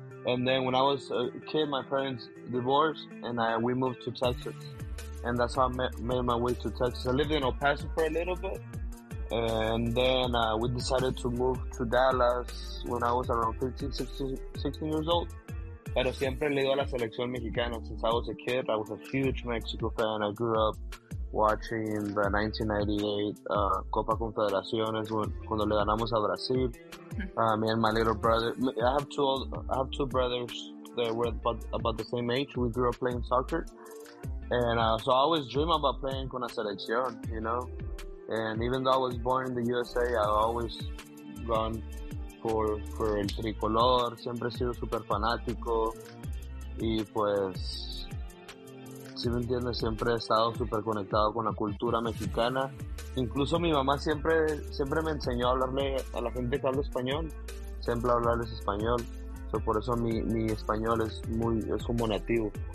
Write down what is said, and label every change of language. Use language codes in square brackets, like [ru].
[en] And then when I was a kid, my parents divorced, and we moved to Texas. And that's how I made my way to Texas. I lived in El Paso for a little bit. And then we decided to move to Dallas when I was around 15, 16 years old. [es] Pero siempre le iba a la selección mexicana. [en] Since I was a kid, I was a huge Mexico fan. I grew up watching the 1998 Copa Confederaciones [es] cuando le ganamos a Brasil. [en] Me and my little brother. I have two brothers that were about the same age. We grew up playing soccer. And so I always dream about playing [es] con la selección, [en] you know. And even though I was born in the USA, I've always gone for el tricolor. [es] Siempre he sido super fanático. Y pues, si me entiendes, siempre he estado super conectado con la cultura mexicana. Incluso mi mamá siempre me enseñó a hablarle a la gente que habla español. Siempre hablarles español. So por eso mi español es como nativo.